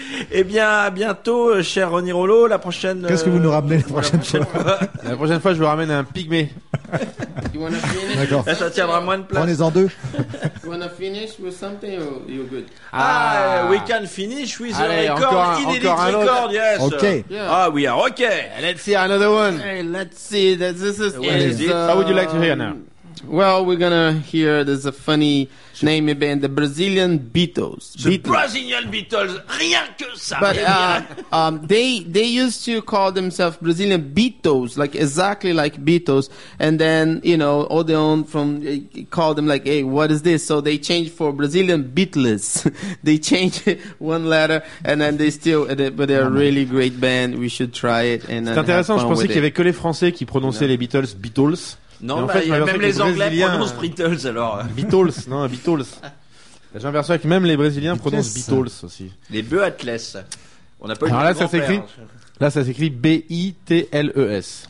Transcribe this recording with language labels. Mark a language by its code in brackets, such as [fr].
[fr] Eh bien, à bientôt, cher Ronny Rollo. La prochaine. Qu'est-ce que vous nous ramenez la prochaine fois La prochaine fois, je vous ramène un pygmée. D'accord. Ça tiendra moins de place. Prenez-en deux. [en] You wanna finish with something or you're good? Ah, we can finish with a record, [fr] encore un record, [en] yes. Okay. Yeah. Ah, we are okay. Let's see another one. Hey, let's see. This is. What is it? How would you like to hear now? Well, we're gonna hear. There's a funny name band, the Brazilian Beatles. [fr] Brazilian Beatles, rien que ça. [en] But they used to call themselves Brazilian Beatles, like exactly like Beatles. And then, you know, Odeon from called them like, hey, what is this? So they changed for Brazilian Beatles. They changed one letter, and then they still. But they're a really great band. We should try it. And [fr] c'est intéressant. Je pensais qu'il y avait que les Français qui prononçaient les Beatles Beatles. Non, en fait, bah, même les Anglais prononcent Beatles alors. Beatles, non, Beatles. J'ai l'impression que même les Brésiliens Beatles. Prononcent Beatles aussi. Les Beatles. On a pas alors là, ça s'écrit. Là, ça s'écrit B-I-T-L-E-S.